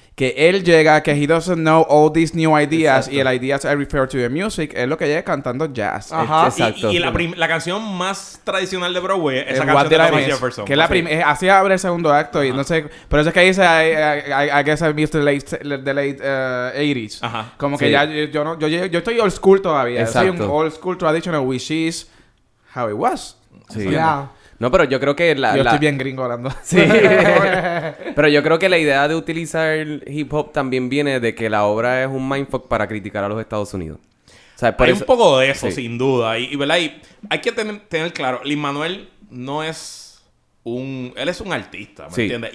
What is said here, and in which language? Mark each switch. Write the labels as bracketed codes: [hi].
[es] Que él llega, que [en] he doesn't know all these new ideas. [es] Exacto. Y el ideas [en] I refer to the music [es] es lo que llega cantando jazz. Ajá. Exacto. Y la canción más tradicional de Broadway, esa canción de Thomas Jefferson. Que es la así abre el segundo acto. Ajá. Y no sé, pero eso es que dice, [en] I guess I missed the late 80s. [es] Ajá. Como que sí. yo estoy [en] old school [es] todavía. Exacto. Soy un [en] old school traditional, which is how it was. [es] Sí. [en] Yeah. [es] No, pero yo creo que yo estoy bien gringo hablando. Sí. Pero yo creo que la idea de utilizar el hip hop también viene de que la obra es un mindfuck para criticar a los Estados Unidos. O sea, por hay eso... un poco de eso, sí. Sin duda. Y ¿verdad? Y hay que tener claro, Lin-Manuel no es él es un artista, ¿me sí. entiendes?